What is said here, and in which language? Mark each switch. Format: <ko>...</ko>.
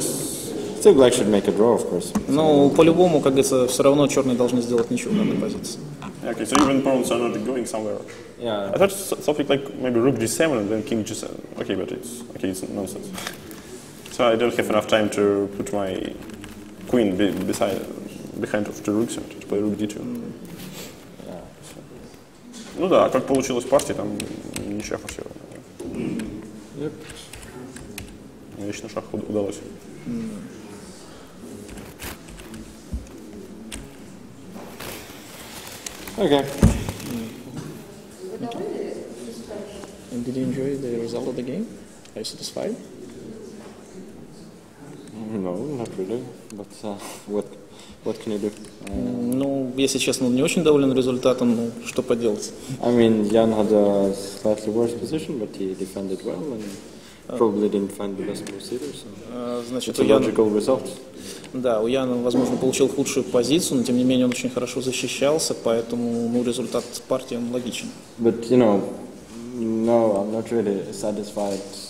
<en>Still, black should make a draw, of course.</en> <ru>Ну, по-любому, как говорится, все равно черные должны сделать ничего на этой позиции.</ru> <en>Okay, so even pawns are not going somewhere. Yeah. I thought something like maybe rook g7 and then king g7. Okay, but it's okay. It's nonsense. So I don't have enough time to put my queen behind of two rooks and to play rook d2. Mm. Yeah. So.</en> <ru>Ну да, как получилось в партии, там ничья по всему.</ru> <en>Yep.</en> <ru>Вечно шах удалось. Mm.</ru> <en>Okay. Mm. And did you enjoy the result of the game? Are you satisfied? No, not really. But what can you do?</en> <ru>Ну, если честно, не очень доволен результатом, но что поделать?</ru> <en>I mean, Jan had a slightly worse position, but he defended well and probably didn't find the best moves either. So.</en> <ru>Значит,</ru> <en>it's a logical result.</en> <ru>Да, у Яна, возможно, получил худшую позицию, но тем не менее он очень хорошо защищался, поэтому ну, результат партии он логичен.</ru> <en>But you know, no, I'm not really satisfied.</en>